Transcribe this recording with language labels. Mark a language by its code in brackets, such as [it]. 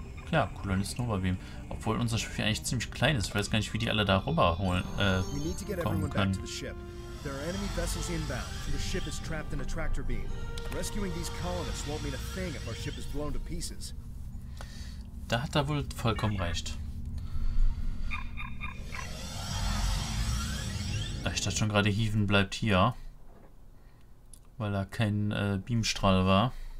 [de] Ja, Kolonisten rüberbeamen. Obwohl unser Schiff hier eigentlich ziemlich klein ist. Ich weiß gar nicht, wie die alle da rüber holen, kommen können. [en] There are enemy vessels inbound, and the ship is trapped in a tractor beam. Rescuing these colonists won't mean a thing if our ship is blown to pieces. [de] Da hat er wohl vollkommen recht. Ich dachte schon gerade, Heaven bleibt hier. Weil da kein Beamstrahl war.